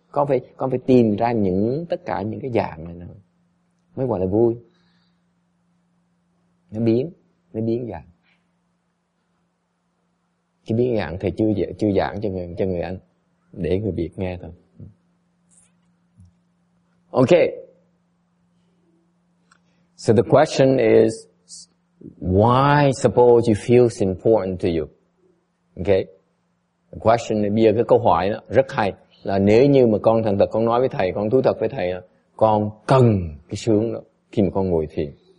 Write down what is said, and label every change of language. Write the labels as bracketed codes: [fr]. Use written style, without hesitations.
[vi] Con phải tìm ra tất cả những cái dạng này nè. Mới gọi là vui. Nó biến dạng. Cái biến dạng thầy chưa giảng cho người Anh, để người Việt nghe thôi. [en] Ok. So the question is, why suppose you feel it's important to you? Ok. The question, [vi] bây giờ cái câu hỏi đó, rất hay. Là nếu như mà con thành thật, con nói với thầy, con thú thật với thầy, con cần cái sướng đó khi mà con ngồi thiền.